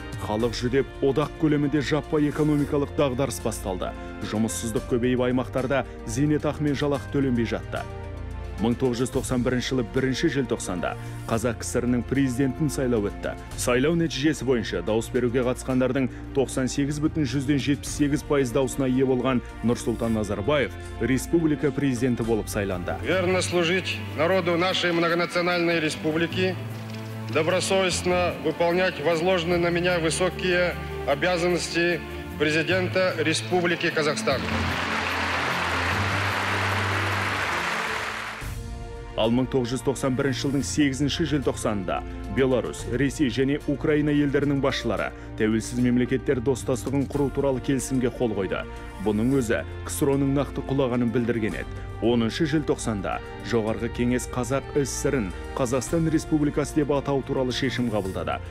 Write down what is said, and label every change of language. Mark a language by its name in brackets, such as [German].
[Kazakh] Халық жүдеп, одақ көлемінде жаппай экономикалық дағдарыс басталды. Жұмыссыздық көбейіп, аймақтарда зейнетақы мен жалақы төленбей жатты. 1991 жылы 1-ші желтоқсанда Қазақ КСР-нің президентін сайлау өтті. Сайлау нәтижесі бойынша дауыс беруге қатысқандардың 98,178% дауысына ие болған Нұрсұлтан Назарбаев республика президенті болып сайланды. [Russian] Верно служить народу нашей многонациональной республики, добросовестно выполнять возложенные на меня высокие обязанности президента Республики Казахстан. [Kazakh] Ал 1991 жылдың 8-ші желтоқсанында Беларусь, Ресей және Украина елдерінің басшылары тәуелсіз мемлекеттер достастығын құру туралы келісімге қол қойды. Бұның өзі КСРО-ның нақты құлағанын білдірген еді. 10-ші желтоқсанда Жоғарғы кеңес Қазақ СССР-ін Қазақстан Республикасы деп атау туралы шешім қабылдады.